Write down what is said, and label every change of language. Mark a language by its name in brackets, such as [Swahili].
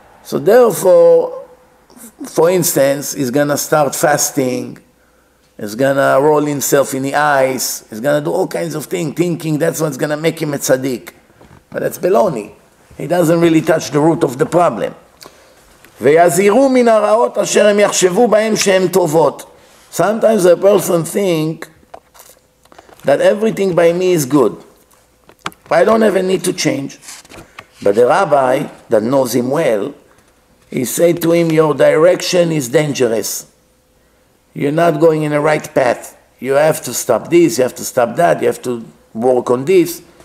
[English] So therefore, for instance, he's going to start fasting, he's going to roll himself in the ice, he's going to do all kinds of things, thinking that's what's going to make him a tzaddik. But that's baloney. He doesn't really touch the root of the problem. [Hebrew] ויזהירו מן הרעות אשר הם יחשבו בהם שהם טובות. [English] Sometimes a person thinks that everything by me is good. I don't have a need to change. But the rabbi that knows him well, he said to him, your direction is dangerous. You're not going in the right path. You have to stop this, you have to stop that, you have to work on this.